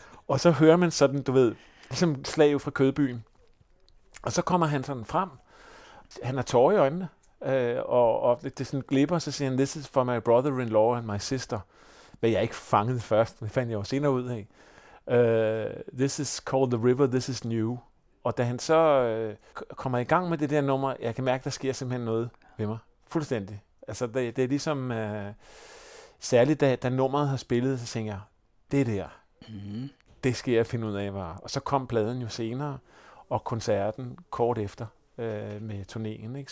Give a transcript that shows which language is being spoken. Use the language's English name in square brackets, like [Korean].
[Danish] Og så hører man sådan, du ved, ligesom slag fra Kødbyen. Og så kommer han sådan frem. Han har tårer i øjnene, og det sådan glipper, så siger han, [English] this is for my brother-in-law and my sister. [Danish] Hvad jeg ikke fangede først, det fandt jeg jo senere ud af. [English] This is called The River, this is new. [Danish] Og da han så kommer i gang med det der nummer, jeg kan mærke, der sker simpelthen noget ved mig. Fuldstændig. Altså, det er ligesom, særligt da nummeret har spillet, så tænker jeg, det er det her. Det skal jeg finde ud af, var. Og så kom pladen jo senere, og koncerten kort efter med turnéen. Ikke?